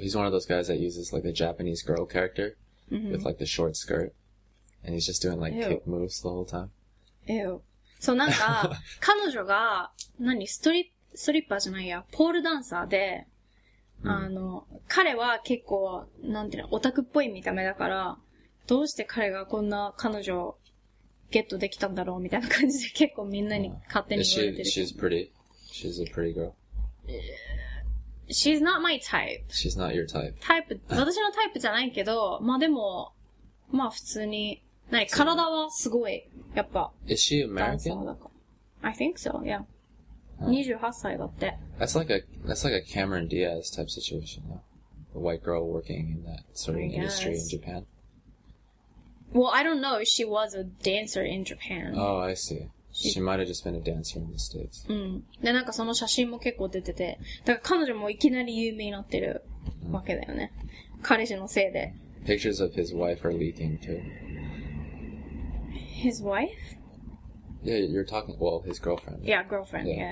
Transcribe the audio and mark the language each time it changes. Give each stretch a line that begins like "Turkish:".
English: He's one of those guys that uses like a Japanese girl character with like the short skirt, and he's just doing like kick moves the whole time. Ew.
Japanese: そうなんか彼女が何ストリッパーじゃないやポールダンサーで、彼は結構なんていうのオタクっぽい見た目だから。どうして彼がこんな彼女をゲットできたんだろうみたいな感じで結構みんなに勝手に言われてる。
English: She's pretty. She's a pretty girl. She's not my type. She's not your type.
Japanese: タイプ、私のタイプじゃないけど、まあでも、まあ普通に、なに、体はすごい、やっぱ。
English: Is she American? I think so, yeah.
Japanese: 28歳だって。
English: That's like a Cameron Diaz type situation, though. A white girl working in that sort of industry in Japan. Well, I don't know if she was a dancer in Japan. Oh, I see. She might have just been a dancer in the States.
Japanese: で、なんかその写真も結構出てて。だから彼女もいきなり有名になってるわけだよね。彼氏のせいで。
English: Pictures of his wife are leaking too. His wife? Yeah, you're talking, well, his girlfriend. Right? Yeah, girlfriend.